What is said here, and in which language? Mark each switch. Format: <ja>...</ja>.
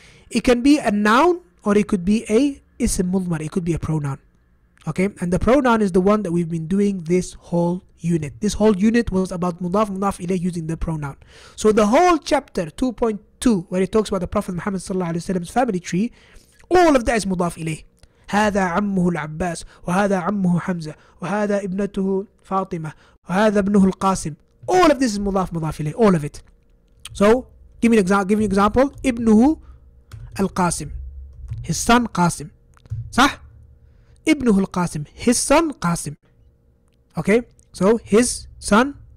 <en>It can be a noun or it could be a ism mudmar, it could be a pronoun, okay? And the pronoun is the one that we've been doing this whole unit. This whole unit was about mudaf, mudaf ilayh using the pronoun. So the whole chapter 2.2, where it talks about the Prophet Muhammad sallallahu alayhi wa sallam's family tree, all of that is mudaf ilayh.</en> <ar>هذا عمه العباس وهذا عمه حمزة وهذا ابنته فاطمة وهذا ابنه القاسم.</ar> <en>All of this is مضاف مضاف إليه. All of it. So give me an example. Give me an example.</en> <ar>ابنه القاسم.</ar> <en>His son قاسم.</en> <ar>صح؟ ابنه القاسم.</ar> <en>His son قاسم. Okay. So his son.</en>